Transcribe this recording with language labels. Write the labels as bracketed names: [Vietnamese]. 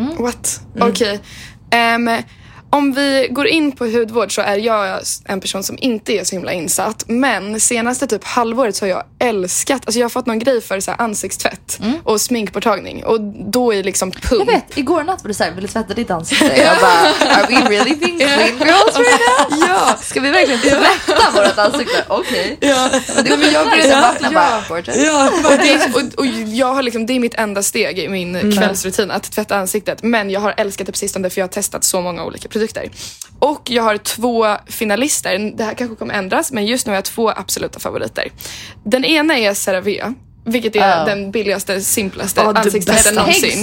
[Swedish] What? Okej. Okay. Om vi går in på hudvård så är jag en person som inte är så himla insatt. Men senaste typ halvåret så har jag älskat, alltså jag har fått någon grej för så här ansiktstvätt och sminkborttagning. Och då är liksom pump. Jag vet, igår natt var du såhär, vill du tvätta ditt ansikte? Jag bara, [English] are we really being clean girls right now? [Swedish] Ja. Ska vi verkligen tvätta vårt ansikte? Okej. Okay. Ja. Men det kommer att vakna bara. Ja. Och jag har liksom, det är mitt enda steg i min kvällsrutin, att tvätta ansiktet. Men jag har älskat det precis om det, för jag har testat så många olika produkter. Och jag har två finalister. Det här kanske kommer ändras, men just nu har jag två absoluta favoriter. Den ena är CeraVe, vilket är den billigaste, simplaste ansiktsvården någonsin.